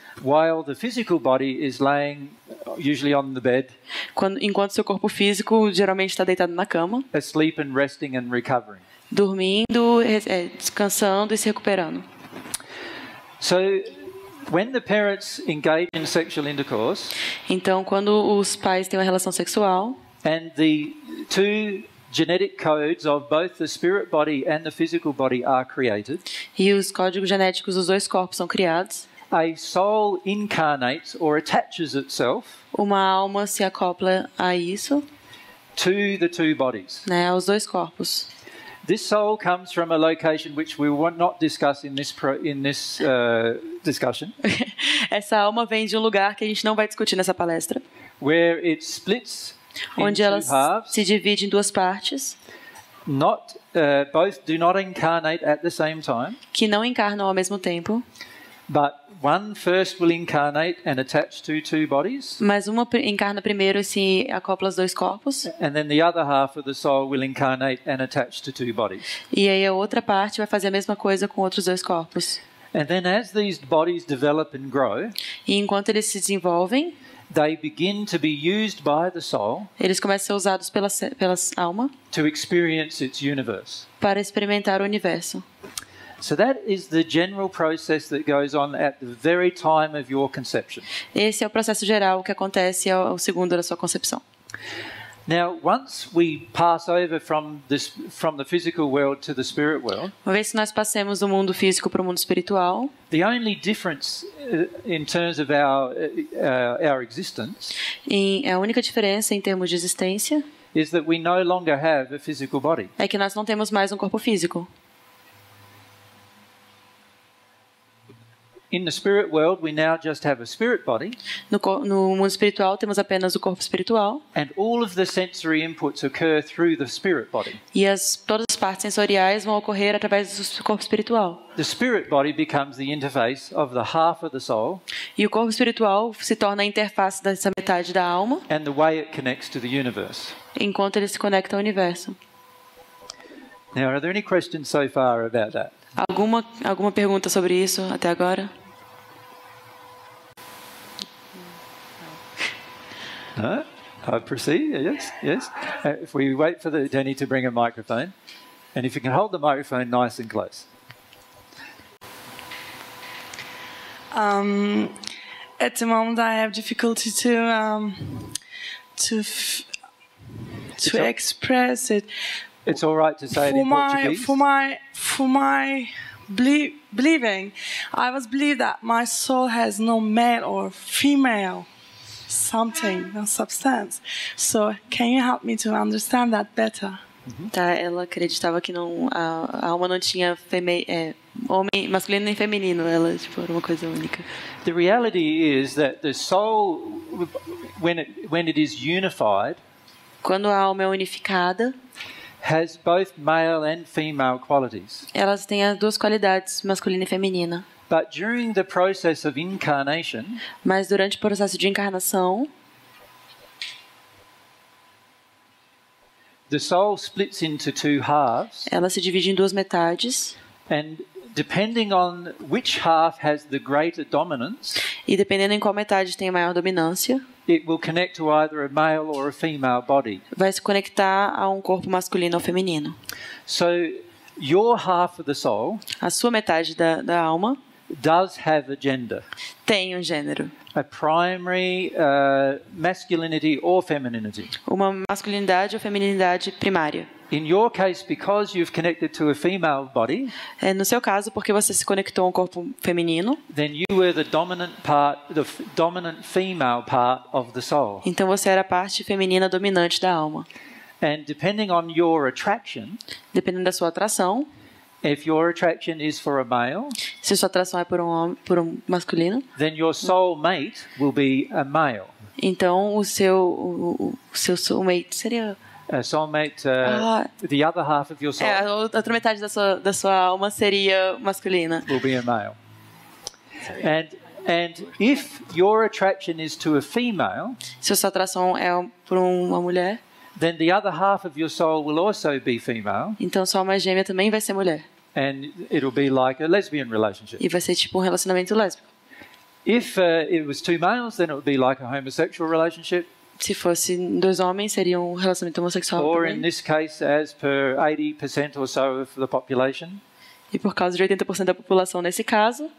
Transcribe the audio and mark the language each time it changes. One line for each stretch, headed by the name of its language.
English: While the physical body is laying usually on the bed.
Portuguese: Enquanto seu corpo físico geralmente está deitado na cama.
English: Asleep and resting and recovering.
Portuguese: Dormindo, descansando e se recuperando.
English: So when the parents engage in sexual intercourse.
Portuguese: Então quando os pais têm uma relação sexual.
English: And the two genetic codes of both the spirit body and the physical body are created.
Portuguese: E os códigos genéticos dos dois corpos são criados.
English: A soul incarnates or attaches itself.
Portuguese: Uma alma se acopla a isso.
English: To the two bodies.
Portuguese: Né, aos dois corpos.
English: This soul comes from a location which we will not discuss in this discussion.
Portuguese: Essa alma vem de um lugar que a gente não vai discutir nessa palestra.
English: Where it splits.
Portuguese: Onde ela se divide em duas partes.
English: Both do not incarnate at the same time.
Portuguese: Que não encarnam ao mesmo tempo.
English: But one first will incarnate and attach to two bodies.
Portuguese: Mas uma encarna primeiro e se acopla aos dois corpos.
English: And then the other half of the soul will incarnate and attach to two bodies.
Portuguese: E aí a outra parte vai fazer a mesma coisa com outros dois corpos.
English: And then as these bodies develop and grow.
Portuguese: E enquanto eles se desenvolvem.
English: They begin to be used by the soul.
Portuguese: Eles começam a ser usados pela alma.
English: To experience its universe.
Portuguese: Para experimentar o universo.
English: So that is the general process that goes on at the very time of your conception.
Portuguese: Esse é o processo geral que acontece ao segundo da sua concepção.
English: Now, once we pass over from the physical world to the spirit world.
Portuguese: Uma vez que nós passemos do mundo físico para o mundo espiritual.
English: The only difference in terms of our existence.
Portuguese: E a única diferença em termos de existência.
English: Is that we no longer have a physical body.
Portuguese: É que nós não temos mais corpo físico.
English: In the spirit world, we now just have a spirit body.
Portuguese: No mundo espiritual temos apenas o corpo espiritual.
English: And all of the sensory inputs occur through the spirit body.
Portuguese: E todas as partes sensoriais vão ocorrer através do corpo espiritual.
English: The spirit body becomes the interface of the half of the soul.
Portuguese: E o corpo espiritual se torna a interface dessa metade da alma.
English: And the way it connects to the universe.
Portuguese: Enquanto ele se conecta ao universo.
English: Now, are there any questions so far about that?
Portuguese: Alguma pergunta sobre isso até agora?
English: No? I proceed. Yes, yes. If we wait for Danny to bring a microphone, and if you can hold the microphone nice and close. At the moment, I have difficulty to express it. It's all right to say it in Portuguese. For my believing, I was believe that my soul has no male or female something, no substance. So can you help me to understand that better? Mm-hmm.
Portuguese: Tá, ela acreditava que não a alma não tinha homem masculino nem feminino, ela tipo era uma coisa única.
English: The reality is that the soul, when it is unified,
Portuguese: quando a alma é unificada,
English: has both male and female qualities.
Portuguese: Elas têm as duas qualidades, masculina e feminina.
English: But during the process of incarnation,
Portuguese: mas durante o processo de encarnação,
English: the soul splits into two halves.
Portuguese: Ela se divide em duas metades.
English: And depending on which half has the greater dominance,
Portuguese: e dependendo em qual metade tem a maior dominância,
English: it will connect to either a male or a female body.
Portuguese: Vai se conectar a corpo masculino ou feminino.
English: So your half of the soul,
Portuguese: a sua metade da alma,
English: does have a gender.
Portuguese: Tem gênero.
English: A primary masculinity or femininity.
Portuguese: Uma masculinidade ou feminilidade primária.
English: In your case, because you've connected to a female body,
Portuguese: no seu caso, porque você se conectou a corpo feminino,
English: then you were the dominant part, the dominant female part of the soul.
Portuguese: Então você era a parte feminina dominante da alma.
English: And depending on your attraction,
Portuguese: dependendo da sua atração,
English: if your attraction is for a male,
Portuguese: se sua atração é por um masculino,
English: then your soul mate will be a male.
Portuguese: Então o seu soulmate seria
English: The other half of your soul.
Portuguese: A outra metade da sua alma seria masculina.
English: Will be a male. And if your attraction is to a female,
Portuguese: se a sua atração é por uma mulher,
English: then the other half of your soul will also be female.
Portuguese: Então sua alma gêmea também vai ser mulher.
English: And it'll be like a lesbian relationship.
Portuguese: E vai ser tipo relacionamento lésbico.
English: If it was two males, then it would be like a homosexual relationship.
Portuguese: Se fosse dois homens, seria um relacionamento homossexual.
English: Or in this case, as per 80% or so of the population.
Portuguese: E por causa de 80% da população nesse caso.